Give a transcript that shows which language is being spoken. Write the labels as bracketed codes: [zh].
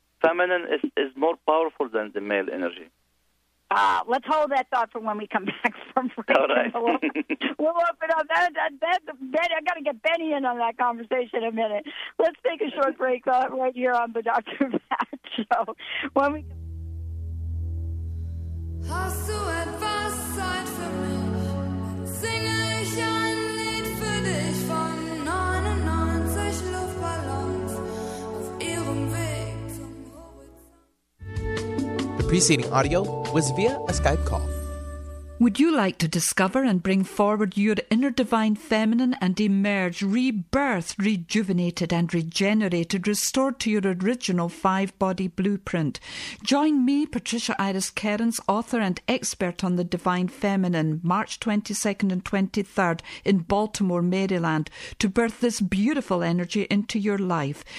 [en] Feminine is more powerful than the male energy. Let's hold that thought for when we come back from break. All right. We'll open up. Ben, I got to get Benny in on that conversation in a minute. Let's take a short break right here on the Dr. Pat Show. When we come. [de] Hast du etwas Zeit für mich? Singe ich ein Lied für dich von 99 Luftballons auf ihrem Weg zum Horizont. [en] The preceding audio was via a Skype call. Would you like to discover and bring forward your inner divine feminine and emerge, rebirth, rejuvenated and regenerated, restored to your original five-body blueprint? Join me, Patricia Iris Cairns, author and expert on the divine feminine, March 22nd and 23rd in Baltimore, Maryland, to birth this beautiful energy into your life.